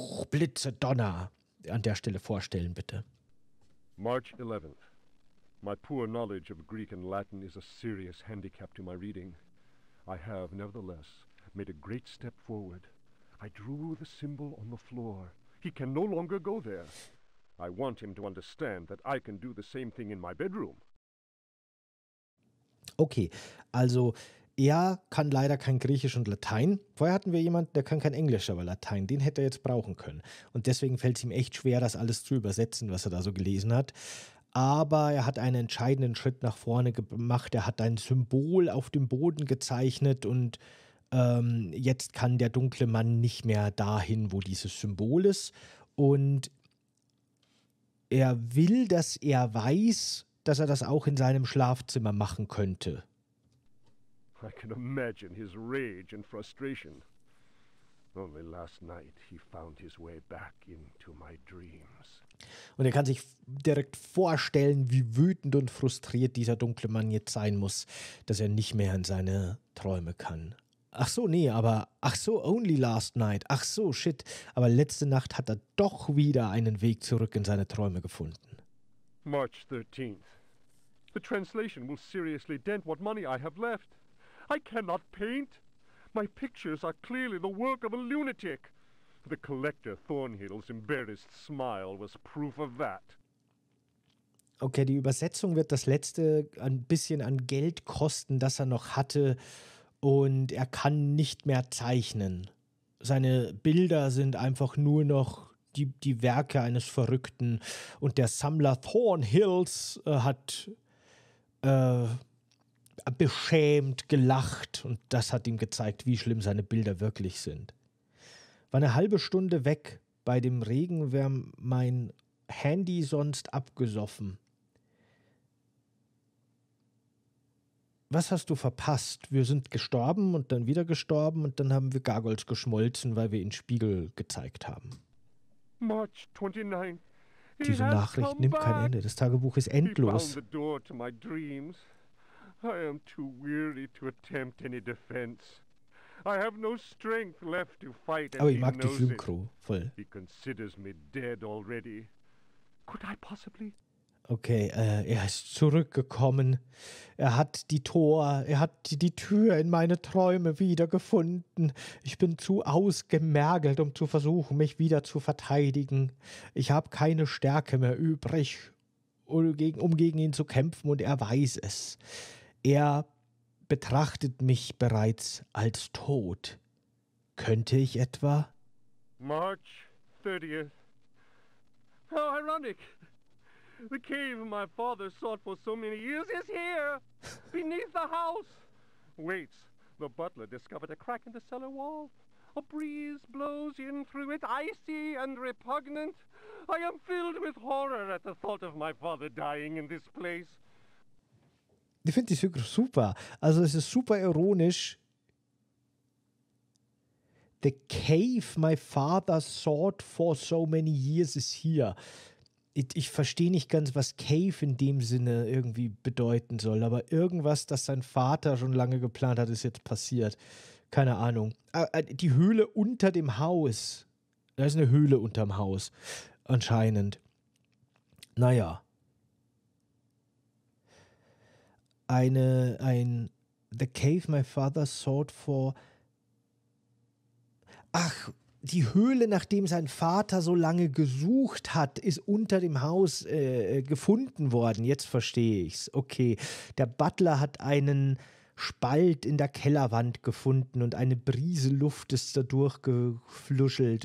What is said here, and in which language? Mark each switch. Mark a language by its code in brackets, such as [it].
[de] Blitze, Donner. An der Stelle vorstellen, bitte. [en] March 11th. My poor knowledge of Greek and Latin is a serious handicap to my reading. I have, nevertheless, made a great step forward. I drew the symbol on the floor. He can no longer go there. I want him to understand that I can do the same thing in my bedroom. [de] Okay, also er kann leider kein Griechisch und Latein. Vorher hatten wir jemanden, der kann kein Englisch, aber Latein. Den hätte er jetzt brauchen können. Und deswegen fällt es ihm echt schwer, das alles zu übersetzen, was er da so gelesen hat. Aber er hat einen entscheidenden Schritt nach vorne gemacht. Er hat ein Symbol auf dem Boden gezeichnet, und jetzt kann der dunkle Mann nicht mehr dahin, wo dieses Symbol ist. Und er will, dass er weiß, dass er das auch in seinem Schlafzimmer machen könnte. [en] I can imagine his rage and frustration. Only last night he found his way back into my dreams. [de] Und er kann sich direkt vorstellen, wie wütend und frustriert dieser dunkle Mann jetzt sein muss, dass er nicht mehr in seine Träume kann. Ach so, nee, aber ach so, [en] only last night. [de] Ach so, shit. Aber letzte Nacht hat er doch wieder einen Weg zurück in seine Träume gefunden. [en] March 13th. The translation will seriously dent what money I have left. I cannot paint. My pictures are clearly the work of a lunatic. The collector Thornhill's embarrassed smile was proof of that. [de] Okay, die Übersetzung wird das letzte ein bisschen an Geld kosten, das er noch hatte. Und er kann nicht mehr zeichnen. Seine Bilder sind einfach nur noch die Werke eines Verrückten. Und der Sammler Thornhills hat beschämt gelacht. Und das hat ihm gezeigt, wie schlimm seine Bilder wirklich sind. War eine halbe Stunde weg. Bei dem Regen wäre mein Handy sonst abgesoffen. Was hast du verpasst? Wir sind gestorben und dann wieder gestorben und dann haben wir Gargoyles geschmolzen, weil wir ihn Spiegel gezeigt haben. [en] March 29. [de] Diese Nachricht nimmt kein Ende. Das Tagebuch ist endlos. [en] He found the door to my dreams. I am too weary to attempt any defense. I have no strength left to fight. [de] Aber ich mag die Synchro voll. [en] He considers me dead already. Could I possibly... [de] Okay, er ist zurückgekommen. Er hat die Tor, er hat die Tür in meine Träume wiedergefunden. Ich bin zu ausgemergelt, um zu versuchen, mich wieder zu verteidigen. Ich habe keine Stärke mehr übrig, um gegen ihn zu kämpfen, und er weiß es. Er betrachtet mich bereits als tot. Könnte ich etwa? [en] March 30th. How ironic! The cave my father sought for so many years is here, beneath the house. Wait, the butler discovered a crack in the cellar wall. A breeze blows in through it, icy and repugnant. I am filled with horror at the thought of my father dying in this place. [de] Ich finde die Synchro super. Also es ist super ironisch. [en] The cave my father sought for so many years is here. [de] Ich verstehe nicht ganz, was Cave in dem Sinne irgendwie bedeuten soll, aber irgendwas, das sein Vater schon lange geplant hat, ist jetzt passiert. Keine Ahnung. Die Höhle unter dem Haus. Da ist eine Höhle unterm Haus. Anscheinend. Naja. [en] The cave my father sought for. [de] Ach. Die Höhle, nachdem sein Vater so lange gesucht hat, ist unter dem Haus gefunden worden. Jetzt verstehe ich's. Okay, der Butler hat einen Spalt in der Kellerwand gefunden und eine Brise Luft ist dadurch gefluschelt.